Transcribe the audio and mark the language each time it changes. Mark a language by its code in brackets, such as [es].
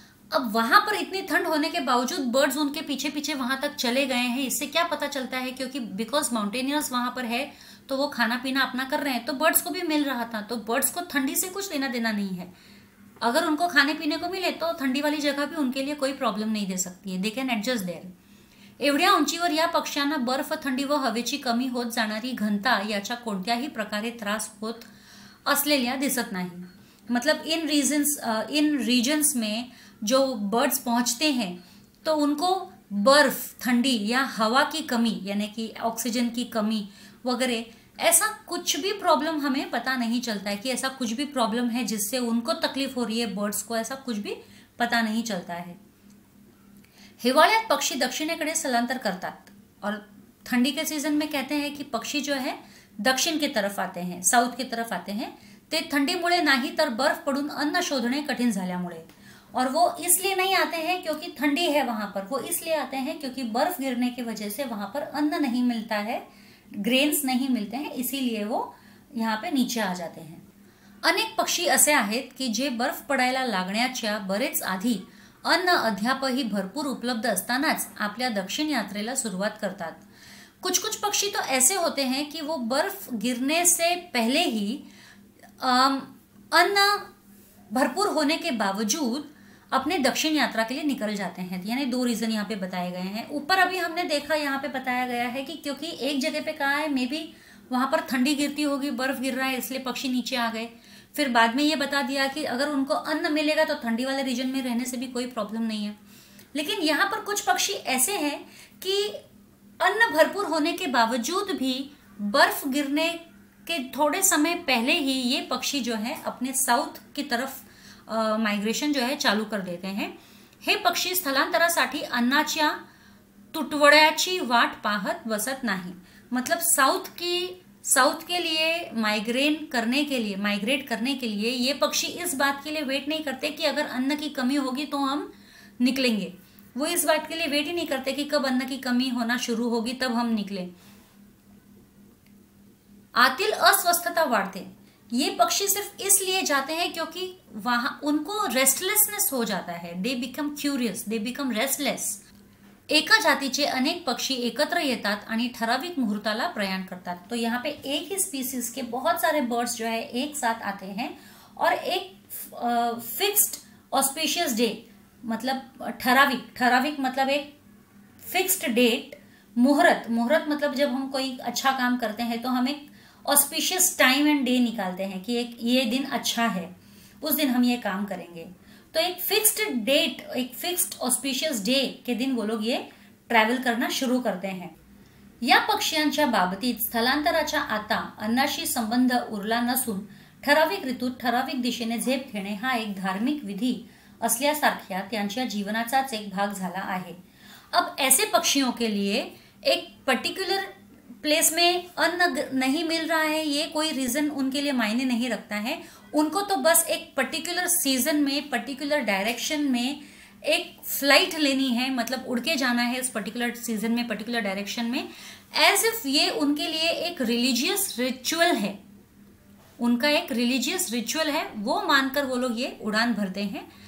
[hi] अब वहां पर इतनी ठंड होने के बावजूद बर्ड्स उनके पीछे पीछे वहां तक चले गए हैं, इससे क्या पता चलता है, क्योंकि बिकॉज माउंटेनियर्स वहां पर है तो वो खाना पीना अपना कर रहे हैं, तो बर्ड्स को भी मिल रहा था, तो बर्ड्स को ठंडी से कुछ लेना देना नहीं है। अगर उनको खाने पीने को मिले तो ठंडी वाली जगह भी उनके लिए कोई प्रॉब्लम नहीं दे सकती है, [en] They can adjust there. [mr] एवढ्या उंचीवर या पक्ष्यांना बर्फ, थंडी व हवेची कमी होत जाणारी घनता याचा कोणत्याही प्रकारे त्रास होत असलेल्या दिसत नाही। [hi] मतलब इन रीजन्स, इन रीजन्स में जो बर्ड्स पहुंचते हैं तो उनको बर्फ, ठंडी या हवा की कमी, यानी कि ऑक्सीजन की कमी वगैरह, ऐसा कुछ भी प्रॉब्लम हमें पता नहीं चलता है कि ऐसा कुछ भी प्रॉब्लम है जिससे उनको तकलीफ हो रही है बर्ड्स को, ऐसा कुछ भी पता नहीं चलता है। [mr] हिवाळ्यात पक्षी दक्षिणेकडे स्थलांतर करतात [hi] और ठंडी के सीजन में कहते हैं कि पक्षी जो है दक्षिण की तरफ आते हैं, साउथ की तरफ आते हैं, [mr] ते थंडीमुळे नाही तर बर्फ पडून अन्न शोधणे कठिन झाल्यामुळे। [hi] और वो इसलिए नहीं आते हैं क्योंकि ठंडी है वहां पर, वो इसलिए आते हैं क्योंकि बर्फ गिरने की वजह से वहां पर अन्न नहीं मिलता है, ग्रेन्स नहीं मिलते हैं, इसीलिए वो यहाँ पे नीचे आ जाते हैं। [mr] अनेक पक्षी असे आहेत की जे बर्फ पडायला लागण्याच्या बरेच आधी अन्न अद्यापही भरपूर उपलब्ध असतानाच आपल्या दक्षिण यात्रेला सुरुवात करतात। [hi] कुछ कुछ पक्षी तो ऐसे होते हैं कि वो बर्फ गिरने से पहले ही अन्न भरपूर होने के बावजूद अपने दक्षिण यात्रा के लिए निकल जाते हैं। यानी दो रीजन यहाँ पे बताए गए हैं। ऊपर अभी हमने देखा, यहाँ पे बताया गया है कि क्योंकि एक जगह पे कहा है मे बी वहां पर ठंडी गिरती होगी, बर्फ गिर रहा है, इसलिए पक्षी नीचे आ गए। फिर बाद में ये बता दिया कि अगर उनको अन्न मिलेगा तो ठंडी वाले रीजन में रहने से भी कोई प्रॉब्लम नहीं है। लेकिन यहाँ पर कुछ पक्षी ऐसे हैं कि अन्न भरपूर होने के बावजूद भी बर्फ गिरने के थोड़े समय पहले ही ये पक्षी जो है अपने साउथ की तरफ माइग्रेशन जो है चालू कर देते हैं। [mr] हे पक्षी स्थलांतरासाठी अन्नाच्या तुटवड्याची वाट पाहत बसत नाही। [hi] मतलब साउथ की, साउथ के लिए माइग्रेन करने के लिए, माइग्रेट करने के लिए ये पक्षी इस बात के लिए वेट नहीं करते कि अगर अन्न की कमी होगी तो हम निकलेंगे। वो इस बात के लिए वेट ही नहीं करते कि कब अन्न की कमी होना शुरू होगी तब हम निकले। [mr] आतिल अस्वस्थता वाढते, [hi] ये पक्षी सिर्फ इसलिए जाते हैं क्योंकि वहां उनको रेस्टलेसनेस हो जाता है, [en] They become curious, they become restless. [mr] एका जातीचे अनेक पक्षी एकत्र येतात आणि ठराविक मुहूर्ताला प्रयाण करतात। [hi] तो यहाँ पे एक ही स्पीसीज के बहुत सारे बर्ड्स जो है एक साथ आते हैं और एक फिक्स्ड ऑस्पिशियस डे, मतलब ठराविक, ठराविक मतलब एक फिक्स्ड डेट, मुहूर्त, मुहूर्त मतलब जब हम कोई अच्छा काम करते हैं तो हमें ऑस्पिशियस टाइम एंड डे निकालते हैं कि एक ये दिन अच्छा है, उस दिन हम ये काम करेंगे। तो एक फिक्स्ड डेट, एक फिक्स्ड ऑस्पिशियस डे के दिन वो लोग ये ट्रैवल करना शुरू करते हैं। [mr] या पक्ष्यांच्या बाबतीत स्थलांतराच्या आता अन्नाशी संबंध उरला नसून ठराविक ऋतूत ठराविक दिशेने झेप घेणे हा एक धार्मिक विधी असल्यासारख्या त्यांच्या जीवनाचाच एक भाग झाला आहे। [hi] अब ऐसे पक्षियों के लिए एक पर्टिकुलर प्लेस में अन्न नहीं मिल रहा है, ये कोई रीजन उनके लिए मायने नहीं रखता है। उनको तो बस एक पर्टिकुलर सीजन में पर्टिकुलर डायरेक्शन में एक फ्लाइट लेनी है, मतलब उड़ के जाना है उस पर्टिकुलर सीजन में पर्टिकुलर डायरेक्शन में, एज इफ ये उनके लिए एक रिलीजियस रिचुअल है, उनका एक रिलीजियस रिचुअल है वो मानकर वो लोग ये उड़ान भरते हैं।